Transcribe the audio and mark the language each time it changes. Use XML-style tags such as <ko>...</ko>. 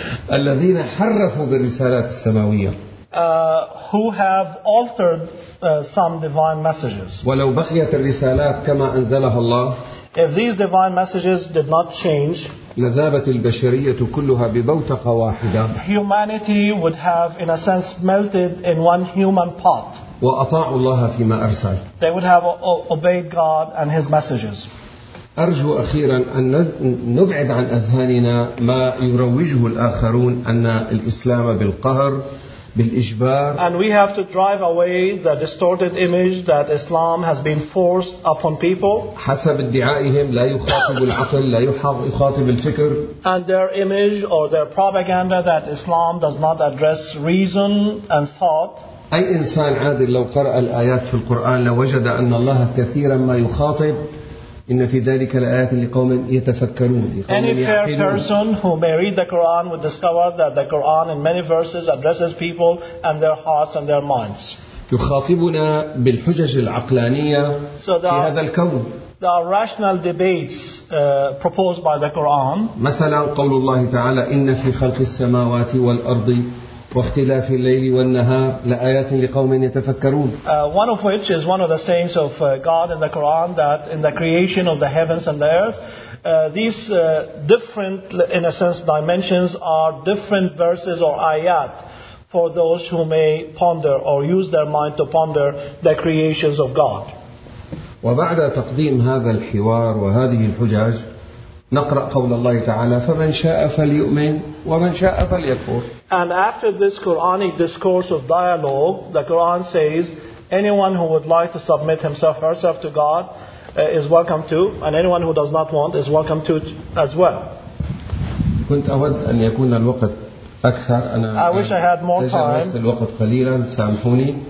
<ar>الذين حرفوا بالرسالات السماوية.</ar> <en>Who have altered some divine messages.</en> <ar>ولو بقيت الرسالات كما أنزلها الله.</ar> <en>If these divine messages did not change.</en> <ar>لذابت البشرية كلها ببوتقة واحدة.</ar> <en>Humanity would have, in a sense, melted in one human pot.</en> <ar>وأطاعوا الله فيما أرسل.</ar> <en>They would have obeyed God and His messages.</en> <ar>أرجو أخيرا أن نبعد عن أذهاننا ما يروجه الآخرون أن الإسلام بالقهر. بالإجبار.</ar> <en>And we have to drive away the distorted image that Islam has been forced upon people.</en> <ar>حسب ادعائهم لا يخاطب العقل لا يخاطب الفكر.</ar> <en>And their image or their propaganda that Islam does not address reason and thought.</en> <ar>أي إنسان عادل لو قرأ الآيات في القرآن لوجد أن الله كثيرا ما يخاطب. إن في ذلك الآيات لقوم يتفكرون.</ar> <en>Any fair person who may read the Quran would discover that the Quran in many verses addresses people and their hearts and their minds.</en> <ar>يخاطبنا بالحجج العقلانية في هذا الكون.</ar> <en>There are rational debates proposed by the Quran.</en> <ar>مثلا قول الله تعالى إن في خلق السماوات والأرض واختلاف الليل والنهار لآيات لقوم يتفكرون.</ar> <en>One of which is one of the sayings of God in the Quran that in the creation of the heavens and the earth, these different, in a sense, dimensions are different verses or ayat for those who may ponder or use their mind to ponder the creations of God.</en> <ar>وبعد تقديم هذا الحوار وهذه الحجج. نقرأ قول الله تعالى فمن شاء فليؤمن ومن شاء فليكفر.</ar> <en>And after this Quranic discourse of dialogue, the Quran says, anyone who would like to submit himself or herself to God is welcome to, and anyone who does not want is welcome to as well.</en> <ar>كنت أود أن يكون الوقت أكثر. أنا</ar> <en>I wish I had more time.</en> <ar>تجاوزت الوقت قليلا سامحوني.</ar>